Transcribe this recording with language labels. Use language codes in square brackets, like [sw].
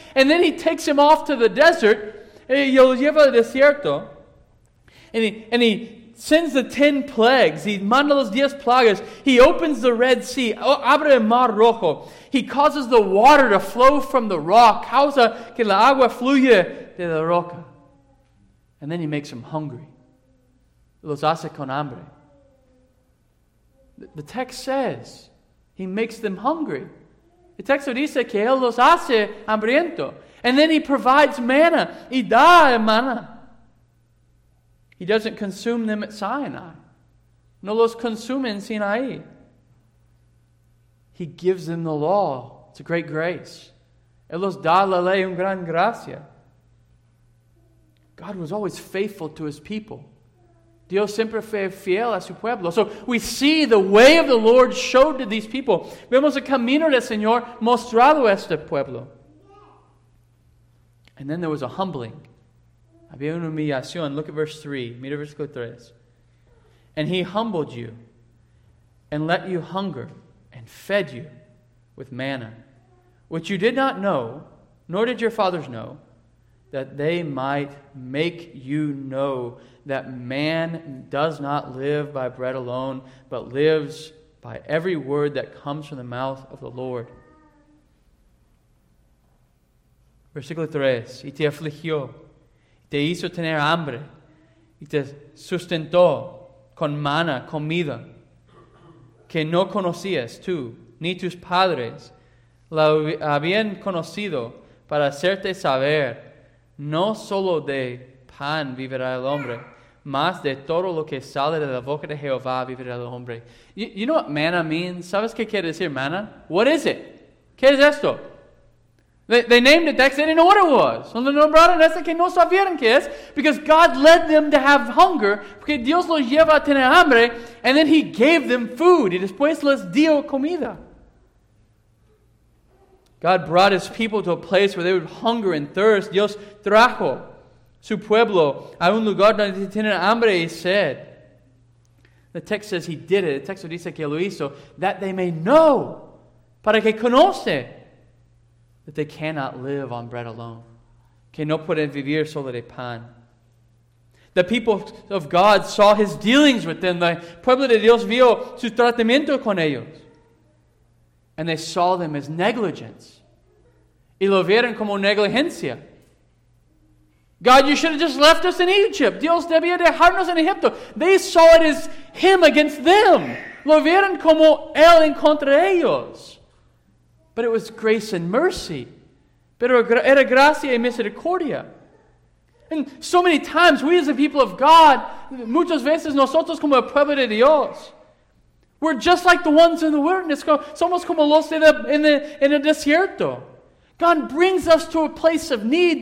[en] And then He takes him off to the desert. [es] Y lo lleva al desierto. [en] And he sends the 10 plagues. [es] He manda los 10 plagas. [en] He opens the Red Sea. [es] Abre el Mar Rojo. [en] He causes the water to flow from the rock. [es] Causa que la agua fluya de la roca. [en] And then He makes them hungry. [es] Los hace con hambre. [en] The text says He makes them hungry. [es] El texto dice que Él los hace hambriento. [en] And then He provides manna. [es] Y da el manna. [en] He doesn't consume them at Sinai. [es] No los consume en Sinai. [en] He gives them the law. It's a great grace. [es] Él los da la ley, un gran gracia. [en] God was always faithful to His people. [es] Dios siempre fue fiel a su pueblo. [en] So we see the way of the Lord showed to these people. [es] Vemos el camino del Señor mostrado a este pueblo. [en] And then there was a humbling. [es] Había una humillación. [en] Look at verse 3. [es] Mira versículo 3. [en] And He humbled you and let you hunger and fed you with manna, which you did not know, nor did your fathers know, that they might make you know that man does not live by bread alone, but lives by every word that comes from the mouth of the Lord. [es] Versículo 3. Y te afligió, y te hizo tener hambre, y te sustentó con maná, comida, que no conocías tú, ni tus padres, la habían conocido para hacerte saber, no solo de pan vivirá el hombre, mas de todo lo que sale de la boca de Jehová vivirá el hombre. [en] You know what manna means? [es] ¿Sabes qué quiere decir manna? [en] What is it? [es] ¿Qué es esto? [en] They named it that because they didn't know what it was. So they [es] nombraron ese que no sabían qué es, [en] because God led them to have hunger, [es] porque Dios los lleva a tener hambre, [en] and then He gave them food, [es] y después les dio comida. [en] God brought His people to a place where they would hunger and thirst. [es] Dios trajo su pueblo a un lugar donde tenían hambre y sed. [en] The text says He did it. The text [es] dice que lo hizo. [en] That they may know, [es] para que conoce, [en] that they cannot live on bread alone. [es] Que no pueden vivir solo de pan. [en] The people of God saw His dealings with them. [es] The pueblo de Dios vio su tratamiento con ellos. [en] And they saw them as negligence. [es] Y lo vieron como negligencia. [en] God, you should have just left us in Egypt. [es] Dios debía dejarnos en Egipto. [en] They saw it as Him against them. [es] Lo vieron como Él en contra de ellos. [en] But it was grace and mercy. [es] Pero era gracia y misericordia. [en] And so many times, we as the people of God, [es] muchas veces nosotros como el pueblo de Dios, [en] we're just like the ones in the wilderness. [es] Somos como los en el desierto. [en] God brings us to a place of need.